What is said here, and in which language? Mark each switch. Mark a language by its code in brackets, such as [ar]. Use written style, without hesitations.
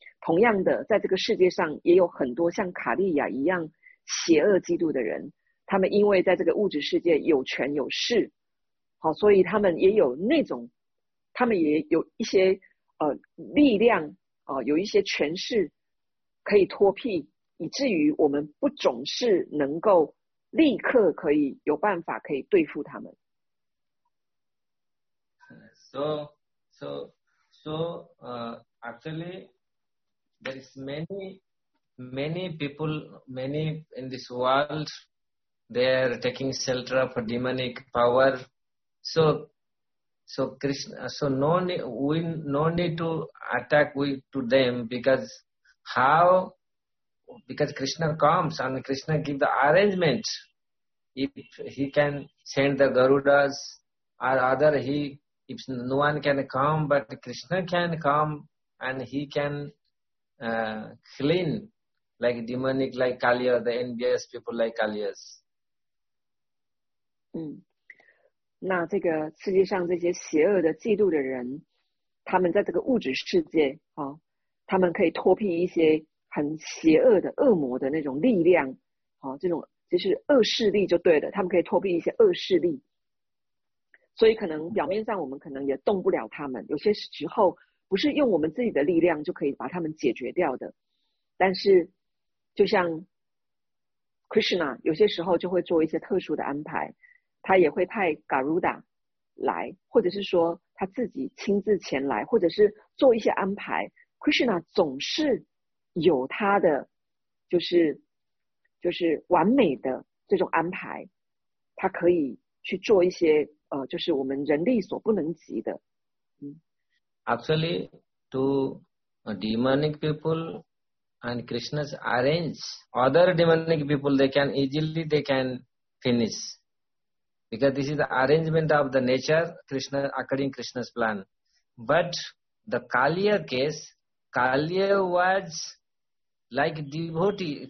[zh] 同样的，在这个世界上也有很多像卡利亚一样邪恶嫉妒的人，他们因为在这个物质世界有权有势，所以他们也有那种，他们也有一些力量，有一些权势可以脱僻，以至于我们不总是能够立刻可以有办法可以对付他们。 [en] So, actually, there is many people, many in this world, they are taking shelter of demonic power. So Krishna, we no need to attack them, because Krishna comes and Krishna give the arrangement. If he can send the Garudas or other, if no one can come, but Krishna can come and he can clean like demonic, like Kaliya, the envious people like Kaliyas. [zh] 那这个世界上这些邪恶的嫉妒的人，他们在这个物质世界，他们可以脱避一些很邪恶的恶魔的那种力量，这种就是恶势力就对了，他们可以脱避一些恶势力。所以可能表面上我们可能也动不了他们，有些时候不是用我们自己的力量就可以把他们解决掉的，但是就像 Krishna 有些时候就会做一些特殊的安排，他也会派 Garuda 来，或者是说他自己亲自前来，或者是做一些安排。 Krishna 总是有他的就是完美的这种安排，他可以去做一些就是我们人力所不能及的。 [en] Actually, to demonic people and Krishna's arrange other demonic people, they can easily they can finish because this is the arrangement of the nature, Krishna according Krishna's plan. But the Kaliya case, Kaliya was like devotee.